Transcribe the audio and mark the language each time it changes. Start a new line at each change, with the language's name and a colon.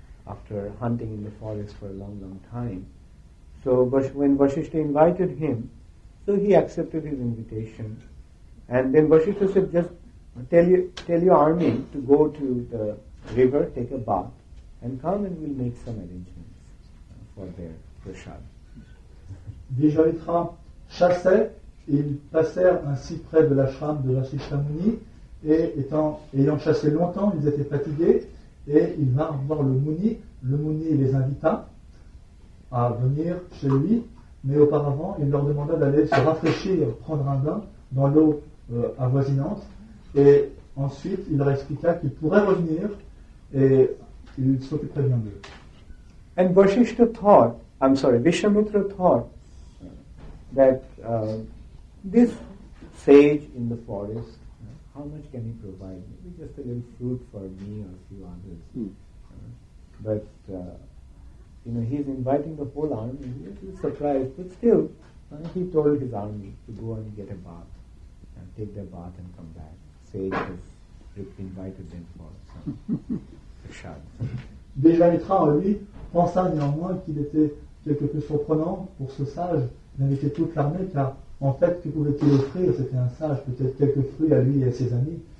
English: after hunting in the forest for a long, long time. So when Vasishtha invited him, so he accepted his invitation. And then Vasishtha said, just tell your army to go to the river, take a bath, and come and we'll make some arrangements for their prasad.
French: Vijayatra chassait, ils passèrent ainsi près de l'ashram de Vasishtha Muni, et ayant chassé longtemps, ils étaient fatigués, et ils vinrent voir le Muni. Le Muni les invita à venir chez lui, mais auparavant, il leur demanda d'aller se rafraîchir, prendre un bain dans l'eau avoisinante, et ensuite il leur expliqua qu'ils pourraient revenir, et ils s'occuperaient bien d'eux.
English: And Vasishtha thought, I'm sorry, Vishwamitra thought, that this sage in the forest, how much can he provide? Maybe just a little fruit for me or a few others. Mm. But he's inviting the whole army. He's surprised, but still, he told his army to go and get a bath, and take their bath and come back. Sage has invited them for some prasad.
French: Vijayatra, lui, pensa néanmoins qu'il était quelque peu surprenant pour ce sage d'inviter toute l'armée, car en fait, que pouvait-il offrir? C'était un sage, peut-être quelques fruits à lui et à ses amis.